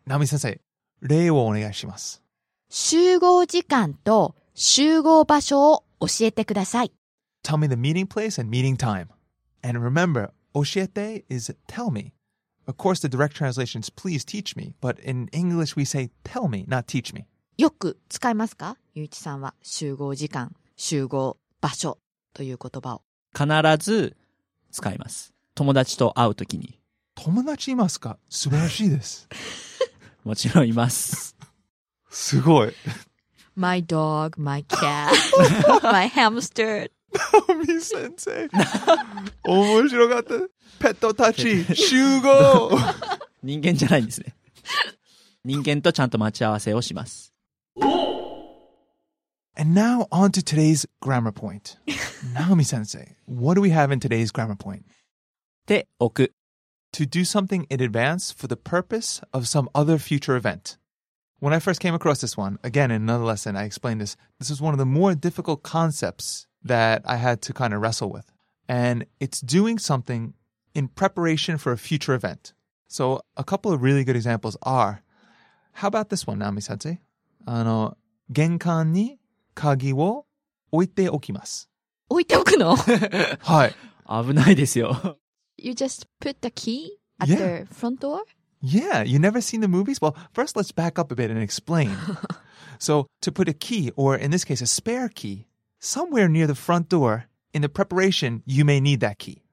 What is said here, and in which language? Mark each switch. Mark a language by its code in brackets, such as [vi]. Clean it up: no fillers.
[ja] ナミ先生、例をお願いします。集合時間と集合場所を教えてください。 [en] Tell me the meeting place and meeting time. And remember, 教えて is tell me. Of course, the direct translation is please teach me. But in English, we say tell me, not teach me. [ja] よく使いますか? ゆういちさんは集合時間、集合場所という言葉を。必ず使います。友達と会うときに。友達いますか?素晴らしいです。もちろんいます。すごい。 [en] My dog, my cat, my hamster. [ja] ナオミ先生面白かったペットたち集合人間じゃないんですね人間とちゃんと待ち合わせをします [en] And now on to today's grammar point ナオミ先生 What do we have in today's grammar point? [ja] 手置く [en] To do something in advance for the purpose of some other future event When I first came across this one, again, in another lesson, I explained this. This is one of the more difficult concepts that I had to kind of wrestle with. And it's doing something in preparation for a future event. So a couple of really good examples are, how about this one, Nami-sensei? [ja] 玄関に鍵を置いておきます。置いておくの? はい。危ないですよ。 [en] You just put the key at the front door? Yeah, you never seen the movies? Well, first let's back up a bit and explain. So to put a key, or in this case, a spare key, somewhere near the front door, in the preparation, you may need that key.